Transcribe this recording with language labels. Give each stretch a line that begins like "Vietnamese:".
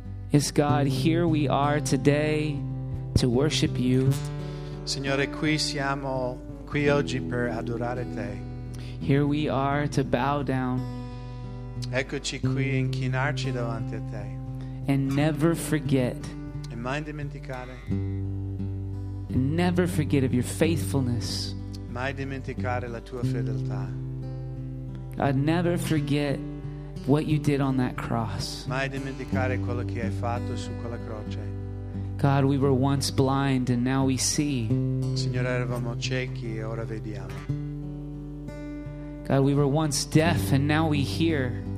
English: Yes, God, here we are today to worship you.
Italian: Signore, qui siamo qui oggi per adorare te.
English: Here we are to bow down.
Italian: Eccoci qui inchinarci davanti a te.
English: And never forget.
Italian: E mai dimenticare.
English: And never forget of your faithfulness.
Italian: Mai dimenticare la tua fedeltà.
English: God, never forget what you did on that cross.
Italian: Mai dimenticare quello che hai fatto su quella croce.
English: God, we were once blind and now we see.
Italian: Signore, eravamo ciechi e ora vediamo.
English: God, we were once deaf and now we hear.